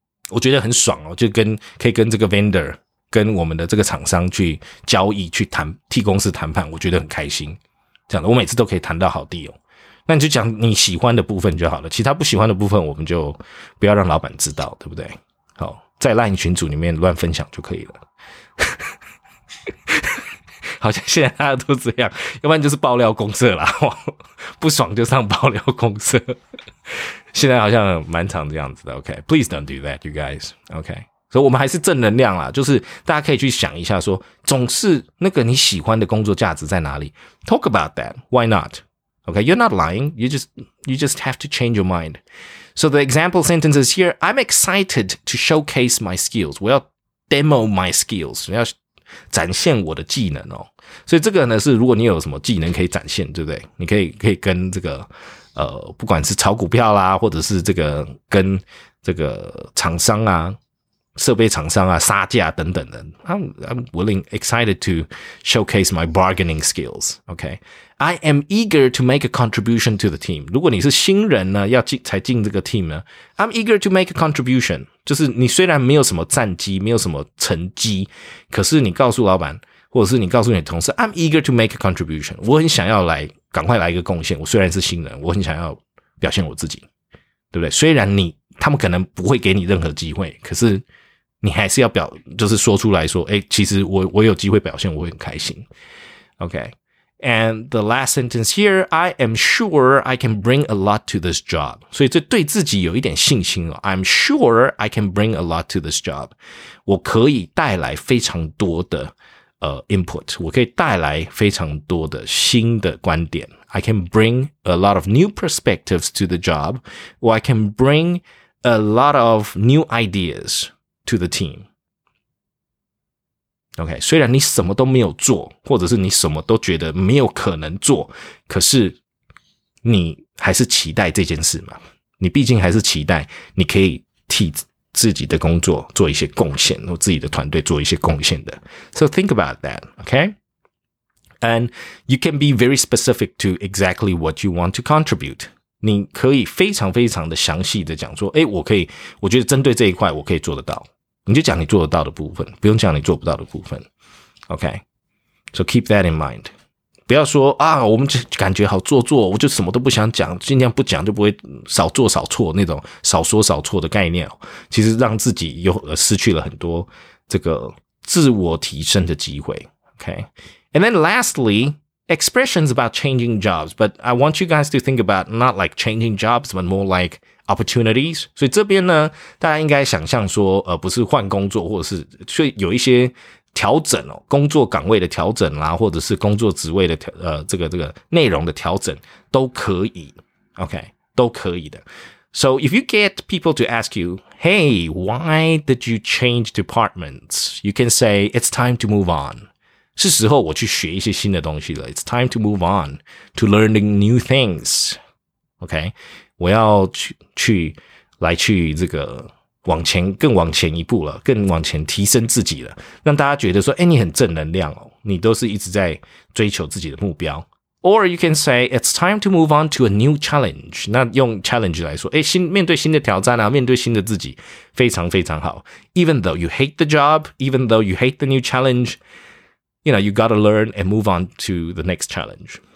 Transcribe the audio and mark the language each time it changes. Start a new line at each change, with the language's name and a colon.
Chinese: 我觉得很爽哦，就跟可以跟这个 vendor 跟我们的这个厂商去交易，去谈替公司谈判，我觉得很开心。讲的我每次都可以谈到好地哦，那你就讲你喜欢的部分就好了，其他不喜欢的部分我们就不要让老板知道，对不对？好，在 LINE 群组里面乱分享就可以了。好像现在大家都这样，要不然就是爆料公社啦，不爽就上爆料公社。现在好像蛮常这样子的。
English: OK, Please don't do that, you guys.
Chinese: OK, 所以我们还是正能量啦，就是大家可以去想一下说，总是那个你喜欢的工作价值在哪里？
English: Talk about that, why not? OK, you're not lying, you just have to change your mind. So the example sentence is here, I'm excited to showcase my skills.
Chinese: 我要
English: demo my skills,
Chinese: 要展现我的技能哦。所以这个呢是如果你有什么技能可以展现，对不对？你可以跟这个不管是炒股票啦，或者是这个跟这个厂商啊，设备厂商啊杀价等等的。
English: I'm willing, excited to showcase my bargaining skills. Okay, I am eager to make a contribution to the team.
Chinese: 如果你是新人呢，要进才进这个 team 呢，
English: I'm eager to make a contribution.
Chinese: 就是你虽然没有什么战绩，没有什么成绩，可是你告诉老板，或者是你告诉你的同事，
English: I'm eager to make a contribution.
Chinese: 我很想要来赶快来一个贡献，我虽然是新人，我很想要表现我自己，对不对？虽然你他们可能不会给你任何机会，可是你还是要表，就是说出来说，诶，其实我有机会表现，我会很开心。
English: OK, and the last sentence here, I am sure I can bring a lot to this job.
Chinese: 所以这对自己有一点信心哦。
English: I'm sure I can bring a lot to this job.
Chinese: 我可以带来非常多的input, 我可以带来非常多的新的观点。
English: I can bring a lot of new perspectives to the job, or I can bring a lot of new ideas to the team.
Chinese: OK, 虽然你什么都没有做，或者是你什么都觉得没有可能做，可是你还是期待这件事嘛。你毕竟还是期待你可以替自己的工作做一些贡献，或自己的团队做一些贡献的。
English: So think about that, okay? And you can be very specific to exactly what you want to contribute.
Chinese: 你可以非常非常的详细的讲说，诶，我可以，我觉得针对这一块我可以做得到。你就讲你做得到的部分，不用讲你做不到的部分。
English: Okay? So keep that in mind.
Chinese: 不要说，啊，我们就感觉好做作，我就什么都不想讲，尽量不讲就不会少做少错，那种少说少错的概念，其实让自己又失去了很多这个自我提升的机会。
English: Okay? And then lastly, expressions about changing jobs, but I want you guys to think about not like changing jobs, but more like opportunities.
Chinese: 所以这边呢，大家应该想象说，不是换工作，或者是所以有一些调整哦，工作岗位的调整啦，或者是工作职位的这个内容的调整都可以 ，OK， 都可以的。
English: So if you get people to ask you, "Hey, why did you change departments?" You can say, "It's time to move on."
Chinese: 是时候我去学一些新的东西了。
English: It's time to move on to learning new things.
Chinese: OK, 我要去来去这个。往前更往前一步了，更往前提升自己了，让大家觉得说，诶，你很正能量哦，你都是一直在追求自己的目标。
English: Or you can say it's time to move on to a new challenge.
Chinese: 那用 challenge 来说，诶，新面对新的挑战啊，面对新的自己，非常非常好。
English: Even though you hate the job, even though you hate the new challenge, you know, you gotta learn and move on to the next challenge.